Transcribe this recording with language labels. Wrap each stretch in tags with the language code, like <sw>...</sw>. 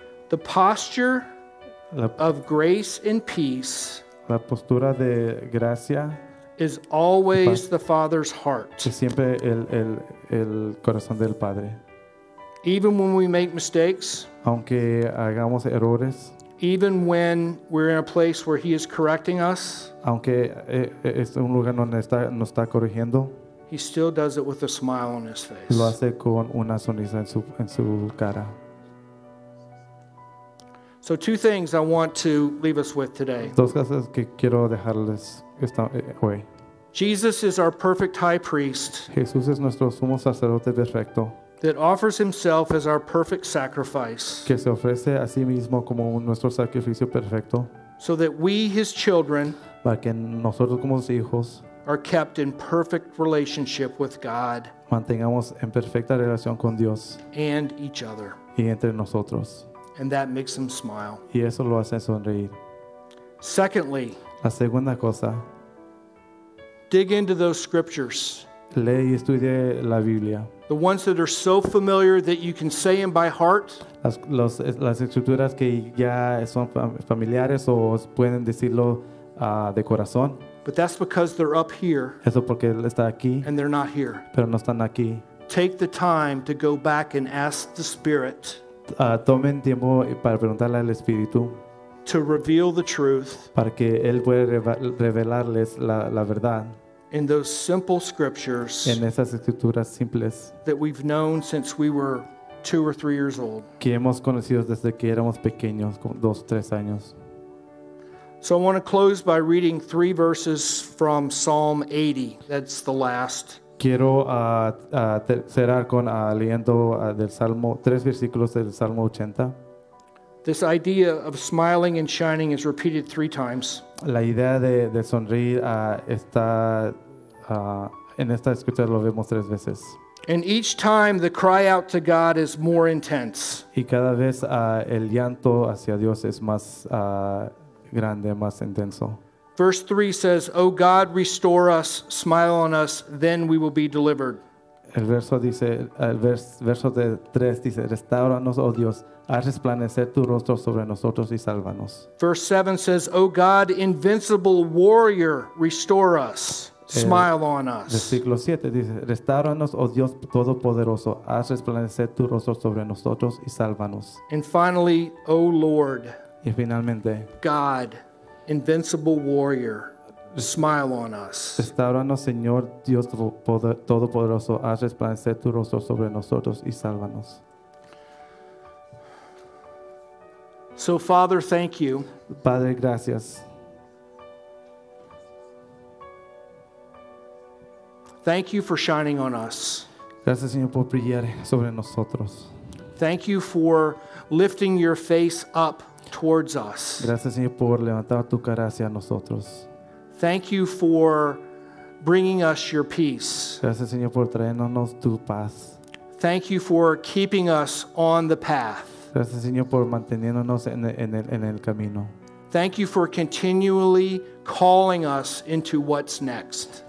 <en>The posture of grace and peace.</en> <es>La postura de gracia</es> <en>is always the Father's heart.</en> <es>Es siempre el corazón del Padre.</es> <en>Even when we make mistakes.</en> <es>Aunque hagamos errores.</es> <en>Even when we're in a place where He is correcting us.</en> <es>Aunque es un lugar donde está nos está corrigiendo.</es> <en>He still does it with a smile on his face.</en> <es>Lo hace con una sonrisa en su cara.</es> <en>So two things I want to leave us with today.</en> <es>Dos cosas que quiero dejarles esta hoy.</es> <en>Jesus is our perfect high priest.</en> <es>Jesús es nuestro sumo sacerdote perfecto.</es> <en>That offers himself as our perfect sacrifice.</en> <es>Que se ofrece a sí mismo como nuestro sacrificio perfecto.</es> <en>So that we his children,</en> <es>para que nosotros como sus hijos,</es> <en>are kept in perfect relationship with God.</en> <es>Mantengamos en perfecta relación con Dios.</es> <en>And each other.</en> <es>Y entre nosotros.</es> <en>And that makes him smile.</en> <es>Y eso lo hace sonreír.</es> <en>Secondly.</en> <es>La segunda cosa.</es> <en>Dig into those scriptures.</en> <es>Lee y estudie la Biblia.</es> <en>The ones that are so familiar that you can say them by heart.</en> <es>Las escrituras que ya son familiares o pueden decirlo de corazón.</es> <en>But that's because they're up here.</en> <es>Eso porque él está aquí.</es> <en>And they're not here.</en> <es>Pero no están aquí.</es> <en>Take the time to go back and ask the Spirit.</en> <es>Tomen tiempo para preguntarle al Espíritu.</es> <en>To reveal the truth.</en> <es>Para que él pueda revelarles la verdad.</es> <en>In those simple scriptures.</en> <es>En esas escrituras simples.</es> <en>That we've known since we were 2 or 3 years old.</en> <es>Que hemos conocido desde que éramos pequeños, 2, 3 años.</es> <en>So I want to close by reading 3 verses from Psalm 80. That's the last.</en> <es>Quiero cerrar con leyendo del Salmo 3 versículos del Salmo 80.</es> <en>This idea of smiling and shining is repeated 3 times.</en> <es>La idea de sonreír está en esta escritura lo vemos 3 veces.</es> <en>And each time the cry out to God is more intense.</en> <es>Y cada vez el llanto hacia Dios es más grande, más intenso.</es> <en>Verse 3 says, O God, restore us, smile on us, then we will be delivered.</en> <es>El verso dice, el verso de 3 dice, restáuranos, oh Dios, haz resplandecer tu rostro sobre nosotros y sálvanos.</es> <en>Verse 7 says, oh God, invincible warrior, restore us, smile on us.</en> <es>Versículo 7 dice, restáuranos, oh Dios todopoderoso, haz resplandecer tu rostro sobre nosotros y sálvanos.</es> <en>And finally, oh Lord,</en> <es>y finalmente,</es> <en>God, invincible warrior, smile on us.</en> <es>Restáuranos, Señor Dios todopoderoso, haz resplandecer tu rostro sobre nosotros y sálvanos.</es> <en>So Father, thank you.</en> <es>Padre, gracias.</es> <en>Thank you for shining on us.</en> <es>Gracias, Señor, por brillar sobre nosotros.</es> <en>Thank you for lifting your face up towards us.</en> <es>Gracias, Señor, por levantar tu cara hacia nosotros.</es> <en>Thank you for bringing us your peace.</en> <es>Gracias, Señor, por traernos tu paz.</es> <en>Thank you for keeping us on the path.</en> <es>Gracias, Señor, por manteniéndonos en el camino.</es> <en>Thank you for continually calling us into what's next.</en>